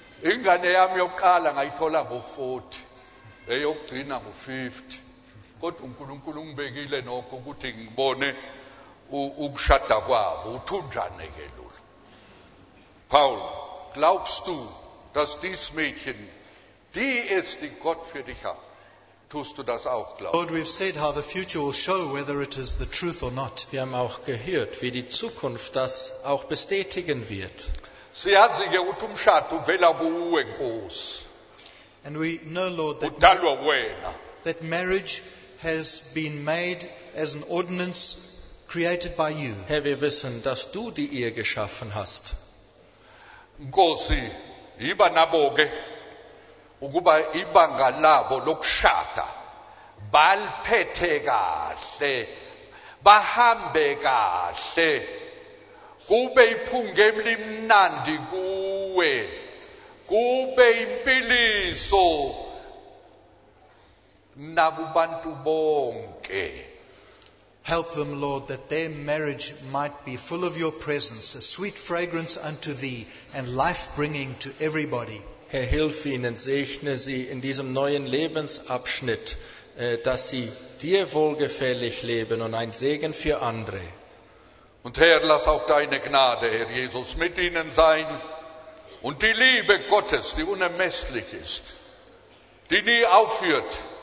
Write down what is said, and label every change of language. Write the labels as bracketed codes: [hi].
[zu] Ingane yami yokuqala ngayithola ngo-40, eyokugcina ngo-50. Kodwa uNkulunkulu ungibekile nokho ukuthi ngibone ukushada kwabo. Uthunjane ke lolu. [de] Paul, glaubst du, dass dies Mädchen die ist, die Gott für dich hat? Tust du das auch glauben? [en] Lord, we've said how the future will show whether it is the truth or not. [de] Wir haben auch gehört, wie die Zukunft das auch bestätigen wird. [zu] Siyazi-ke ukuthi umshado uvela kuwe, Nkosi. [en] And we know, Lord, that [zu] udalwa wena. [en] That marriage has been made as an ordinance created by you. [de] Herr, wir wissen, dass du die Ehe geschaffen hast. [zu] Nkosi, iba naboke. Ukuba ibanga labo lokushada baliphethe kahle, bahambe kahle, kube iphunga elimnandi kuwe, kube impiliso nakubantu bonke. [en] Help them, Lord, that their marriage might be full of your presence, a sweet fragrance unto thee, and life-bringing to everybody. [de] Herr, hilf ihnen, segne sie in diesem neuen Lebensabschnitt, dass sie dir wohlgefällig leben und ein Segen für andere. Und Herr, lass auch deine Gnade, Herr Jesus, mit ihnen sein und die Liebe Gottes, die unermesslich ist, die nie aufhört,